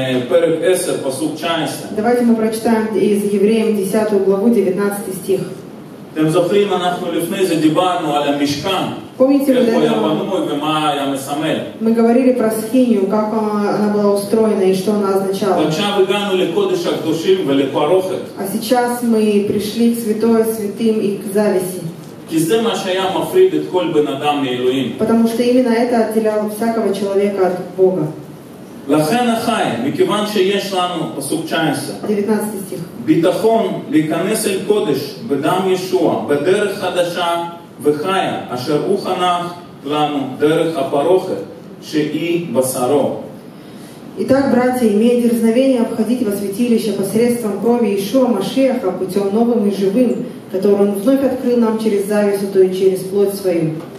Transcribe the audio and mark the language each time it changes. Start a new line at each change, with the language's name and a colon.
Russian: Давайте мы прочитаем из Евреям 10 главу 19 стих.
Hebrew: אתם זוכרים, אנחנו לפני זה דיברנו על המשכן, איך הוא היה בנוי ומה היה מסמל.
Russian: Мы говорили про скинию, как она была устроена и что она означала.
Hebrew: עכשיו הגענו לקודש הקדושים ולפרוכת.
Russian: А сейчас мы пришли к святое святым и к зависи.
Hebrew: כי זה מה שהיה מפריד את כל בן אדם מאלוהים.
Russian: Потому что именно это отделяло всякого человека от Бога.
Hebrew: לכן החי, מכיוון שיש לנו, פסוק 19,
Russian: 19 стих.
Hebrew: ביטחון להיכנס אל קודש בדם ישוע, בדרך חדשה וחיה, אשר הוא חנך לנו דרך הפרוכת, שהיא בשרו.
Russian: Итак, братья, имея дерзновение обходить во святилище посредством крови Иешуа Машиаха путем новым и живым, который он вновь открыл нам через завесу, то и через плоть свою.